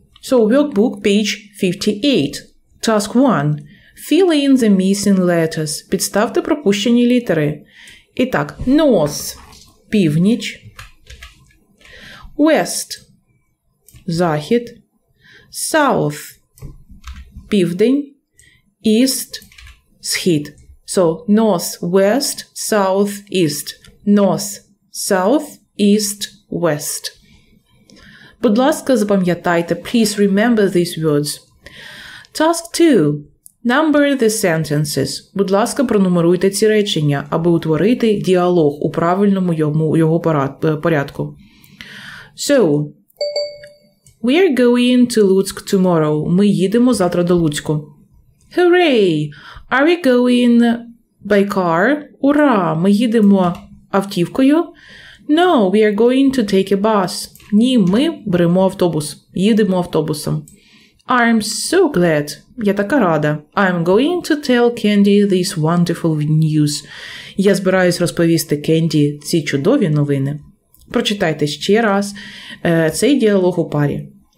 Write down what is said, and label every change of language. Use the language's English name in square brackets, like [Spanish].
[English] So, workbook page 58. Task 1. Fill in the missing letters. [Ukrainian] Підставте пропущені літери. І так, north – північ. West – захід. South – південь. East – схід. [English] So, north, west, south, east. North, south, east, west. [Ukrainian] Будь ласка, запам'ятайте. [English] Please remember these words. Task 2. Number the sentences. [Ukrainian] Будь ласка, пронумеруйте ці речення, аби утворити діалог у правильному його порядку. [English] So, we are going to Lutsk tomorrow. [Ukrainian] Ми їдемо завтра до Луцьку. [English] Hooray! Are we going by car? [Ukrainian] Ура! Ми їдемо автівкою? [English] No, we are going to take a bus. [Ukrainian] Ні, ми беремо автобус. Їдемо автобусом. [English] I'm so glad. [Ukrainian] Я така рада. [English] I'm going to tell Candy this wonderful news. [Ukrainian] Я збираюсь розповісти Кенді ці чудові новини. Прочитайте ще раз цей діалог у парі.